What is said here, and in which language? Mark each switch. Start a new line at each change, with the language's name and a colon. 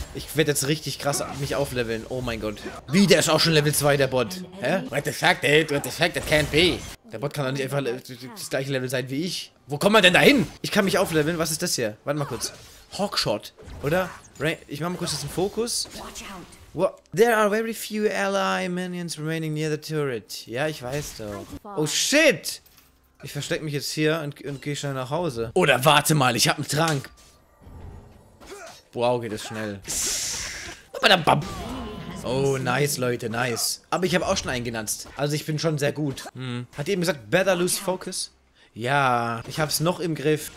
German: Ich werde jetzt richtig krass mich aufleveln. Oh mein Gott. Wie, der ist auch schon Level 2, der Bot.
English: Hä? What the fuck, dude? What the fuck? That can't be.
German: Der Bot kann doch nicht einfach das gleiche Level sein wie ich. Wo kommt man denn da hin? Ich kann mich aufleveln. Was ist das hier? Warte mal kurz. Hawkshot, oder? Ich mach mal kurz diesen Fokus.
English: What? There are very few ally minions remaining near the turret.
German: Ja, ich weiß doch.
English: Oh shit!
German: Ich versteck mich jetzt hier und gehe schnell nach Hause. Oder warte mal, ich hab einen Trank. Wow, geht das schnell. Oh, nice, Leute, nice. Aber ich habe auch schon einen genutzt. Also ich bin schon sehr gut. Hat eben gesagt,
English: better lose focus?
German: Ja, ich hab's noch im Griff.